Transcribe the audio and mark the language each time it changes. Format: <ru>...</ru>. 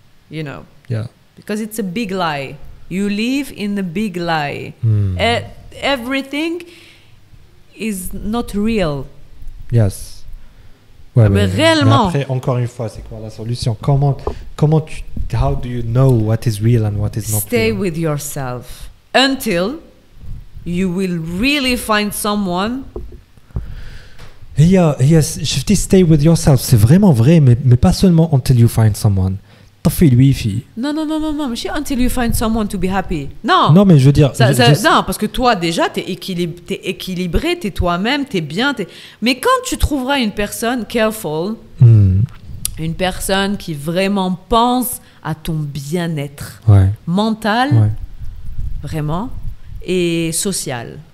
<en>You know. Yeah. Because it's a big lie. You live in a big lie. Everything is not real. Yes.</en> <fr>Ouais, mais réellement. Mais après, encore une fois, c'est quoi la solution? Comment tu,</fr> <en>how do you know what is real and what is not real? Stay with yourself until you will really find someone. Yeah, yes,</en> <fr>je dis</fr> <en>stay with yourself.</en> <fr>C'est vraiment vrai, mais pas seulement</fr> <en>until you find someone.</en> <fr>T'as fait lui, fille. Non. Mais c'est</fr> <en>until you find someone to be happy.</en> <fr>Non. Non, mais je veux dire. Non, parce que toi, déjà, t'es équilibré, t'es toi-même, t'es bien. Mais quand tu trouveras une personne, careful, une personne qui vraiment pense à ton bien-être mental, vraiment, et social.</fr>